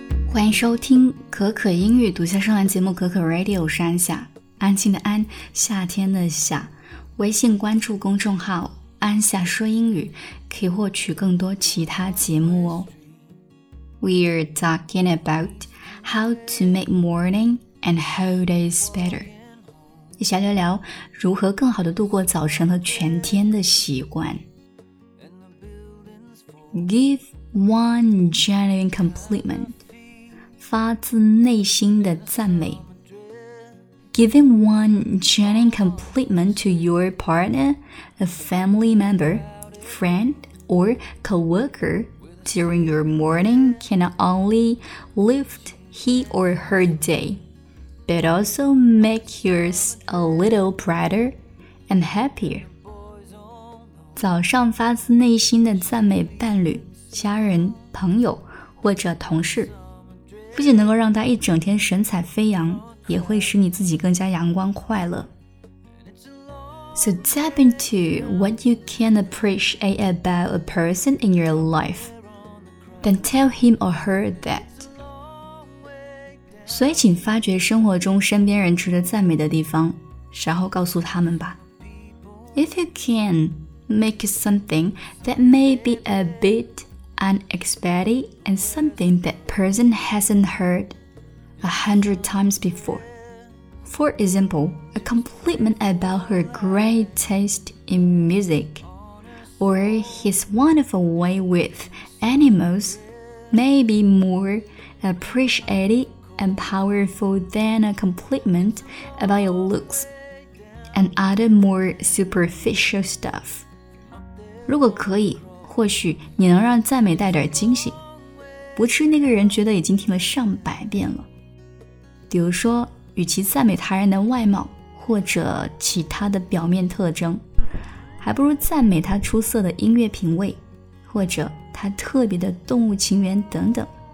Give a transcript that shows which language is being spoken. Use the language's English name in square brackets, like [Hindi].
[Chinese] 欢迎收听可可英语独家上栏节目可可 Radio， 我是安夏，安静的安，夏天的夏。微信关注公众号安夏说英语，可以获取更多其他节目哦。 [English] We're talking about how to make morning and whole days better. [Chinese] 一起来聊聊如何更好地度过早晨和全天的习惯。 [English] Give one genuine compliment. [Chinese] 发自内心的赞美。 [English] Giving one genuine compliment to your partner, a family member, friend, or co-worker during your morning can not only lift he or her day, but also make yours a little brighter and happier. [Chinese] 早上发自内心的赞美伴侣、家人、朋友或者同事，不仅能够让他一整天神采飞扬，也会使你自己更加阳光快乐。 [English] So tap into what you can appreciate about a person in your life, then tell him or her that. [Chinese] 所以请发掘生活中身边人值得赞美的地方，然后告诉他们吧。 [English] If you can, make something that may be a bit unexpected and something that person hasn't heard100 times before. For example, a compliment about her great taste in music, or his wonderful way with animals, may be more appreciated and powerful than a compliment about your looks and other more superficial stuff. [Chinese] 如果可以，或许你能让赞美带点惊喜，不至于那个人觉得已经听了上百遍了。比如说，与其赞美他人的外貌或者其他的表面特征，还不如赞美他出色的音乐品味，或者他特别的动物情缘等等。